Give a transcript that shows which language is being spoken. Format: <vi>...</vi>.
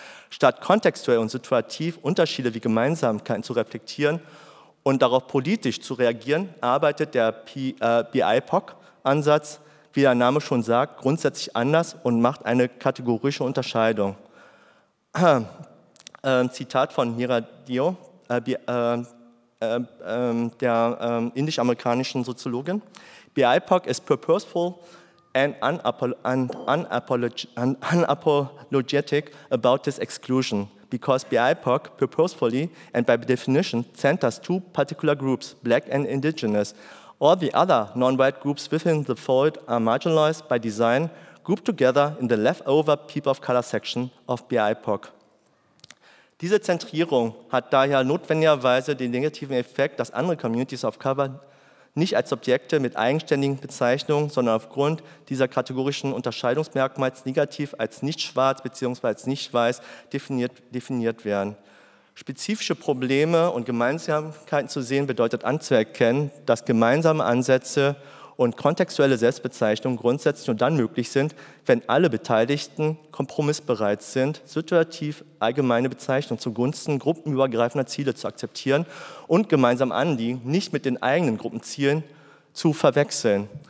<de>Statt kontextuell und situativ Unterschiede wie Gemeinsamkeiten zu reflektieren und darauf politisch zu reagieren, arbeitet der BIPOC-Ansatz wie der Name schon sagt, grundsätzlich anders und macht eine kategorische Unterscheidung. Zitat von Hira Dio, der indisch-amerikanischen Soziologin.</de> <en>BIPOC is purposeful and unapologetic about this exclusion, because BIPOC purposefully and by definition centers two particular groups, black and indigenous. All the other non-white groups within the fold are marginalized by design, grouped together in the leftover people of color section of BIPOC.</en> <de>Diese Zentrierung hat daher notwendigerweise den negativen Effekt, dass andere Communities of Color nicht als Subjekte mit eigenständigen Bezeichnungen, sondern aufgrund dieser kategorischen Unterscheidungsmerkmals negativ als nicht schwarz bzw. nicht weiß definiert werden. Spezifische Probleme und Gemeinsamkeiten zu sehen, bedeutet anzuerkennen, dass gemeinsame Ansätze und kontextuelle Selbstbezeichnungen grundsätzlich nur dann möglich sind, wenn alle Beteiligten kompromissbereit sind, situativ allgemeine Bezeichnungen zugunsten gruppenübergreifender Ziele zu akzeptieren und gemeinsam Anliegen nicht mit den eigenen Gruppenzielen zu verwechseln.</de>